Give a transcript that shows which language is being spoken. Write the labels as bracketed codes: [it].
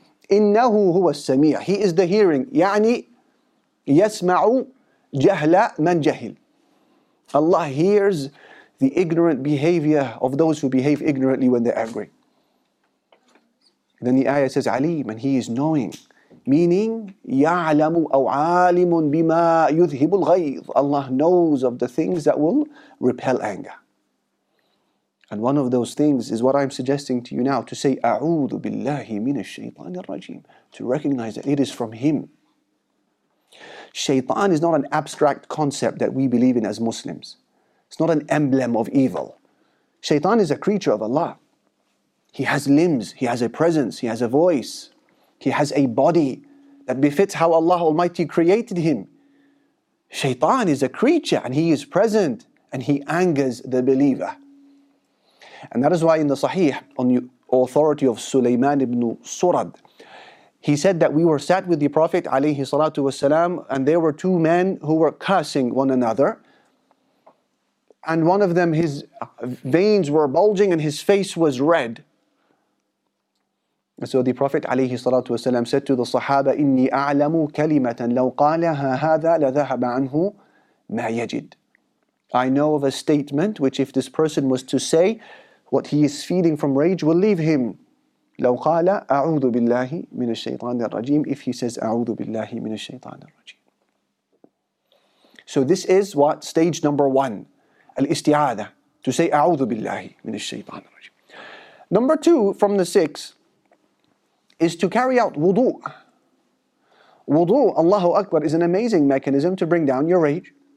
[ar] إِنَّهُ هُوَ السَّمِيعُ. [en] He is the hearing. [ar] يَعْنِي يَسْمَعُ جَهْلَ مَنْ جَهِلْ. [en] Allah hears the ignorant behavior of those who behave ignorantly when they're angry. Then the ayah says, عَلِيمُ, and he is knowing. [ar] Meaning, يَعْلَمُ أَوْ عَالِمٌ بِمَا يُذْهِبُ الْغَيْظِ. [en] Allah knows of the things that will repel anger. And one of those things is what I'm suggesting to you now, to say, [ar] أَعُوذُ بِاللَّهِ مِنَ الشَّيْطَانِ الرَّجِيمِ. [en] To recognize that it is from him. Shaytan is not an abstract concept that we believe in as Muslims. It's not an emblem of evil. Shaytan is a creature of Allah. He has limbs, he has a presence, he has a voice. He has a body that befits how Allah Almighty created him. Shaytan is a creature and he is present and he angers the believer. And that is why in the Sahih, on the authority of Sulaiman ibn Surad, he said that we were sat with the Prophet alayhi salatu wasalam, and there were two men who were cursing one another. And one of them, his veins were bulging and his face was red. So the Prophet [ar] عليه الصلاة والسلام [en] said to the Sahaba, [ar] إني أعلم كلمة لو قالها هذا لذهب عنه ما يجد. [en] I know of a statement which if this person was to say, what he is feeling from rage will leave him. [ar] لو قال أعوذ بالله من الشيطان الرجيم. [en] If he says [ar] أعوذ بالله من الشيطان الرجيم. [en] So this is what stage number one, الاستعاذة, to say [ar] أعوذ بالله من الشيطان الرجيم. [en] Number two from the six is to carry out wudu. Wudu, Allahu Akbar, is an amazing mechanism to bring down your rage.